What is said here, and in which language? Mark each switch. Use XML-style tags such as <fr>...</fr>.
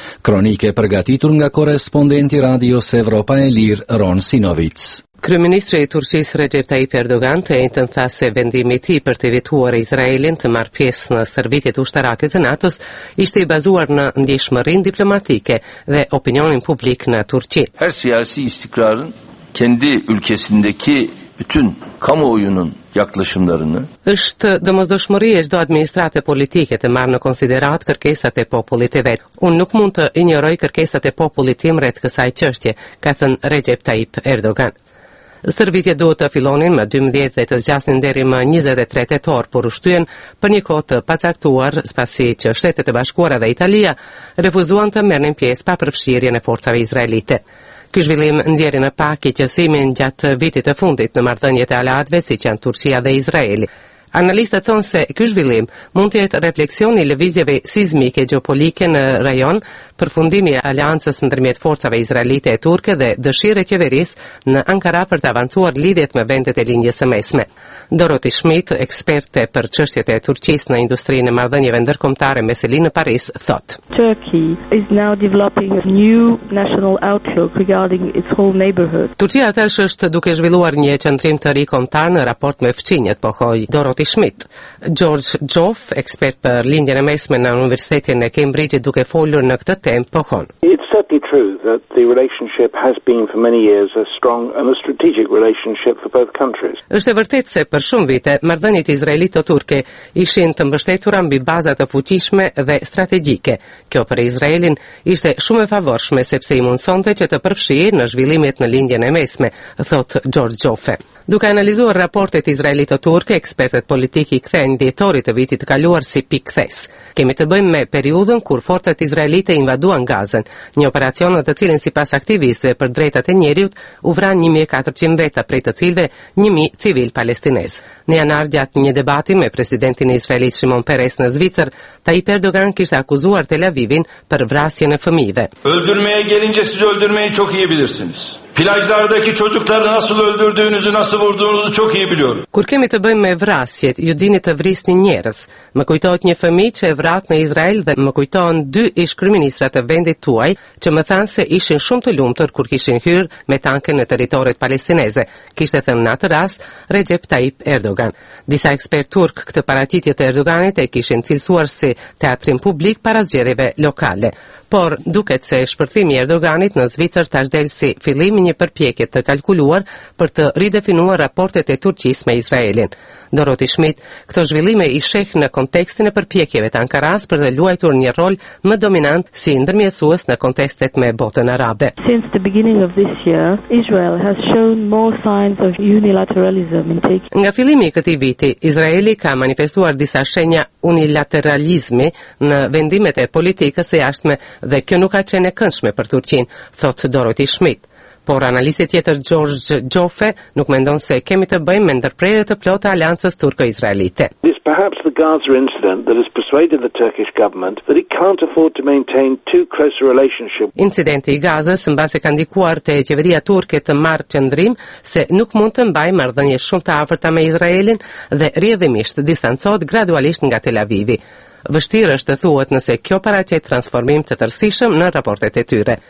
<sq>Kronike përgatitur nga korrespondenti Radios Evropa e Lir Ron Sinovic. Kryeministri i Turqisë Recep Tayyip Erdogan të njëjtën tha se vendimi i tij për të vetuar Izraelin të marrë pjesë në stërvitjet ushtarake të NATO-s ishte i bazuar në ndjeshmërinë diplomatike dhe opinionin publik në Turqi.</sq> <tr>Her siyasi istikrarın kendi ülkesindeki bütün kamuoyunun yaklaşımlarını.</tr> <sq>Është domosdoshmëria e çdo administrate politike të marrë në konsiderat kërkesat e popullit të vet. Unë nuk mund të injoroj kërkesat e popullit tim rreth kësaj çështje, ka thënë Recep Tayyip Erdogan. Stërvitjet duhet të fillonin më 12 dhe të zgjasnin deri më 23 tetor, por ushtyen për një kohë të pacaktuar, pasi që Shtetet e Bashkuara dhe Italia refuzuan të merrnin pjesë pa përfshirjen e forcave izraelite. Ky zhvillim nxjerri në pak qetësimin gjatë vitit të fundit në marrëdhëniet e aleatëve, siç janë Turqia dhe Izraeli. Analistët thonë se ky zhvillim mund të jetë refleksion i lëvizjeve sismike gjeopolitike në rajon, përfundimi i aleancës ndërmjet forcave izraelite e turke dhe dëshire qeverisë në Ankara për të avancuar lidhjet me vendet e lindjes së mesme. Dorothy Schmidt, eksperte për çështjet e Turqisë në industrinë e marrëdhënieve ndërkombëtare me selinë në Paris, thot:</sq> <en>Turkey is now developing a new national outlook regarding its whole neighborhood.</en> <sq>Turqia tash është duke zhvilluar një qendrim të ri kombëtar në raport me fqinjet, pohoi Dorothy Schmidt. George Joff, ekspert për lindjen e mesme në Universitetin e Cambridge, duke folur në këtë temp, pohon:</sq> <en>It's certainly true that the relationship has been for many years a strong and a strategic relationship for both countries.</en> <sq>Është e vërtetë se për shumë vite marrëdhëniet izraelito-turke ishin të mbështetura mbi baza të fuqishme dhe strategjike. Kjo për Izraelin ishte shumë e favorshme sepse i mundsonte që të përfshihej në zhvillimet në lindjen e mesme, thot George Joffe. Duke analizuar raportet izraelito-turke, ekspertët politik i kthehen dhjetorit të vitit të kaluar si pikthes. Kemi të bëjmë me periudhën kur forcat izraelite invaduan Gazën, një operacion në të cilin sipas aktivistëve për drejtat e njeriut u vran 1400 veta, prej të cilëve 1000 civil palestinez. Në janar gjatë një debati me presidentin izraelit Shimon Peres në Zvicër, Tayyip Erdogan kishte akuzuar Tel Aviv-in për vrasjen e fëmijëve.</sq> <tr>Öldürmeye gelince siz öldürmeyi çok iyi bilirsiniz. Plajlardaki çocukları nasıl öldürdüğünüzü, nasıl vurduğunuzu çok iyi biliyorum.</tr> <sq>Kur kemi të bëjmë me vrasjet, ju dini të vrisni njerëz. Më kujtohet një fëmijë që e vrat në Izrael dhe më kujtohen dy ish kryeministra të vendit tuaj që më thanë se ishin shumë të lumtur kur kishin hyrë me tanke në territoret palestineze. Kishte thënë në atë rast Recep Tayyip Erdogan. Disa ekspertë turk këtë paraqitje të Erdoganit e kishin cilësuar si teatrin publik para zgjedhjeve lokale. Por duket se shpërthimi i Erdoganit në Zvicër tash del si fillimi një përpjekje të kalkuluar për të ridefinuar raportet e Turqisë me Izraelin. Dorothy Schmidt, këto zhvillime i sheh në kontekstin e përpjekjeve të Ankaras për të luajtur një rol më dominant si ndërmjetësues në kontekstet me botën arabe.</sq> <en>Since the beginning of this year, Israel has shown more signs of unilateralism in taking.</en> <sq>Nga fillimi i këtij viti, Izraeli ka manifestuar disa shenja unilateralizmi në vendimet e politikës së jashtme dhe kjo nuk ka qenë e këndshme për Turqinë, thot Dorothy Schmidt. Por analisti tjetër George Joffe nuk mendon se kemi të bëjmë me ndërprerje të plotë aleancës turko-izraelite.</sq> <en>This perhaps the Gaza incident that has persuaded the Turkish government that it can't afford to maintain too close a relationship.</en> <sq>Incidenti i Gazës mbase ka ndikuar te qeveria turke të marrë qëndrim se nuk mund të mbajë marrëdhënie shumë të afërta me Izraelin dhe rrjedhimisht distancohet gradualisht nga Tel Avivi. Vështirë është të thuhet nëse kjo paraqet transformim të tërësishëm në raportet e tyre.</sq>